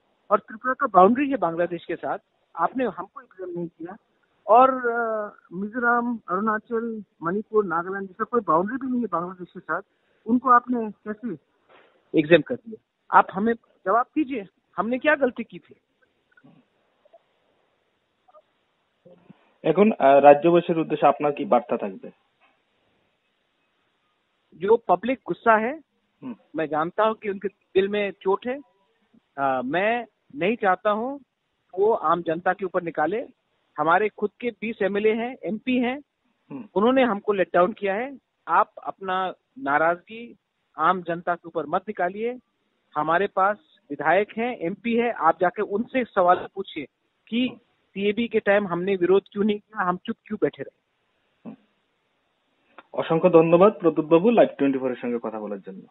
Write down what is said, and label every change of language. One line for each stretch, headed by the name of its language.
Hindi: और त्रिपुरा का बाउंड्री है बांग्लादेश के साथ, आपने हमको एग्जाम नहीं किया, और मिजोरम, अरुणाचल, मणिपुर, नागालैंड जैसा कोई बाउंड्री भी नहीं है बांग्लादेश के साथ, उनको आपने कैसे एग्जाम कर दिया? आप हमें जवाब दीजिए, हमने क्या गलती की थी?
Bangla: এখন রাজ্যবাসীর উদ্দেশ্যে আপনার কি বার্তা থাকবে?
Hindi: जो पब्लिक गुस्सा है, मैं जानता हूं कि उनके दिल में चोट है, मैं नहीं चाहता हूं वो आम जनता के ऊपर निकाले। हमारे खुद के 20 एमएलए हैं, एमपी हैं, उन्होंने हमको लेट डाउन किया है। आप अपना नाराजगी आम जनता के ऊपर मत निकालिए, हमारे पास विधायक हैं, एमपी है, आप जाके उनसे सवाल पूछिए कि सीएबी के टाइम हमने विरोध क्यों नहीं किया, हम चुप क्यों बैठे रहे।
Bangla: অসংখ্য ধন্যবাদ প্রদীপ বাবু, লাইভ 24 এর সঙ্গে কথা বলার জন্য।